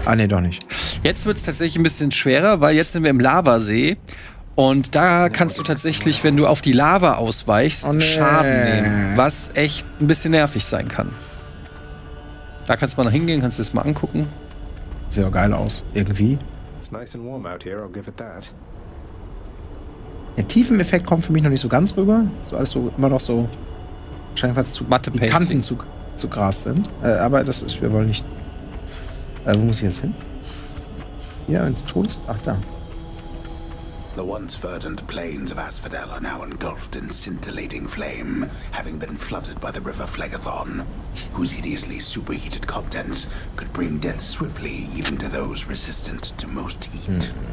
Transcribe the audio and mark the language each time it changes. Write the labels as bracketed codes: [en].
[de] Ah, nee, doch nicht. Jetzt wird es tatsächlich ein bisschen schwerer, weil jetzt sind wir im Lavasee. Und da kannst du tatsächlich, wenn du auf die Lava ausweichst, Schaden nehmen. Was echt ein bisschen nervig sein kann. Da kannst du mal hingehen, kannst du das mal angucken. Sieht auch geil aus, irgendwie. [en] It's nice and warm out here, I'll give it that. [de] Der Tiefeneffekt kommt für mich noch nicht so ganz rüber. So alles so immer noch so. Wahrscheinlich, weil es zu matte die Kanten zu Gras sind. Aber das ist, wir wollen nicht. Wo muss ich jetzt hin? Ja, ins Todes... Ach, da. [en] The once verdant plains of Asphodel are now engulfed in scintillating flame, having been flooded by the river Phlegethon, whose hideously superheated contents could bring death swiftly even to those resistant to most heat.